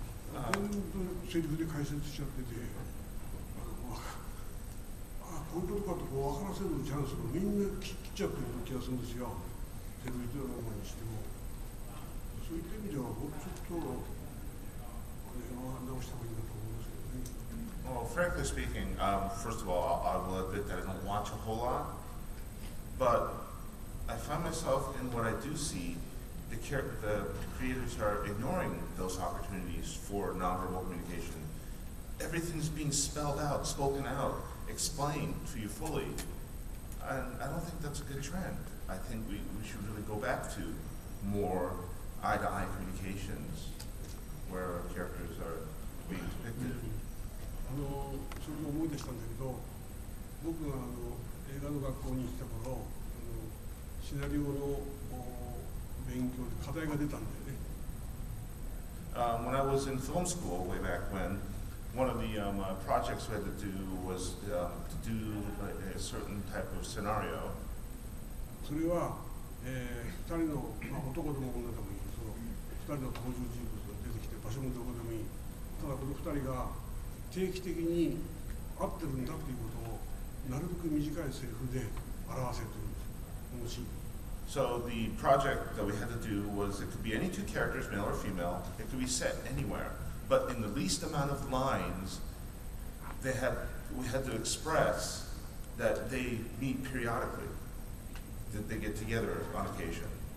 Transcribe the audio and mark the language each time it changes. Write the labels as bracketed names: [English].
[Japanese] 全部セリフで解説しちゃってて、こういうことかってこう分からせるチャンスがみんな切っちゃってる気がするんですよ。テレビドラマにしても。そういった意味では、もうちょっと、 [English] Well, frankly speaking, first of all, I will admit that I don't watch a whole lot, but I find myself in what I do see, the creators are ignoring those opportunities for nonverbal communication. Everything's being spelled out, spoken out, explained to you fully, and I don't think that's a good trend. I think we should really go back to more eye-to-eye communications. Where our characters are being depicted. [Japanese] あのそれも思い出したんだけど、僕があの映画の学校に行った頃、あのシナリオの勉強で課題が出たんだよね。 [English] When I was in film school way back when, one of the projects we had to do was to do a certain type of scenario. [Japanese] それは二人の、まあ、男でも女でもいい、その二人の登場人物。場所もどこでもいい。ただこの二人が定期的に会ってるんだっていうことをなるべく短いセリフで表せというんです。このシーン。 [English] So the project that we had to do was it could be any two characters, male or female, it could be set anywhere, but in the least amount of lines, they had we had to express that they meet periodically, that they get together on occasion.